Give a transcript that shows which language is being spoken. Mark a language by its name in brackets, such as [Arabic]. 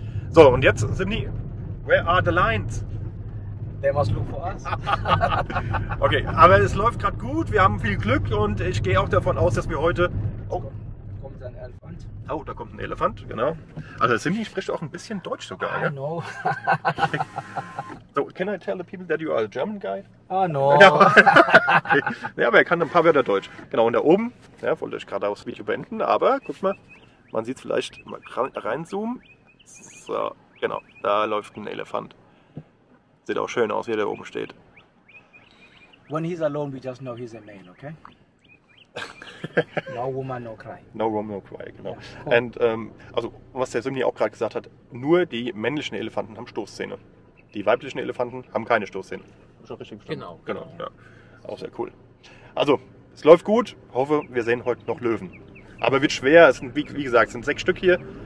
[German] So, und jetzt, [English] Simni, where are the lions? They must look for us. [German] Okay, aber es läuft gerade gut, wir haben viel Glück und ich gehe auch davon aus, dass wir heute... Oh, da kommt ein Elefant. Oh, da kommt ein Elefant, genau. Also Simni spricht auch ein bisschen Deutsch sogar. [English] I know. So, can I tell the people that you are a German guy? Ah, no. [German] Ja, okay. Ja, aber er kann ein paar Wörter Deutsch. Genau, und da oben, ja, wollte ich gerade aufs Video beenden, aber guck mal, man sieht es vielleicht, mal reinzoomen. So, genau, da läuft ein Elefant. Sieht auch schön aus, wie der oben steht. [English] When he's alone, we just know he's a man, okay? No woman, no cry. No woman, no cry, genau. Yeah. [German] Cool. And, also, was der Simni auch gerade gesagt hat, nur die männlichen Elefanten haben Stoßzähne. Die weiblichen Elefanten haben keine Stoßzähne. Schon richtig verstanden? Genau. Genau, ja. Auch sehr cool. Also, es läuft gut. Hoffe, wir sehen heute noch Löwen. Aber wird schwer. Es sind, wie gesagt, es sind 6 Stück hier.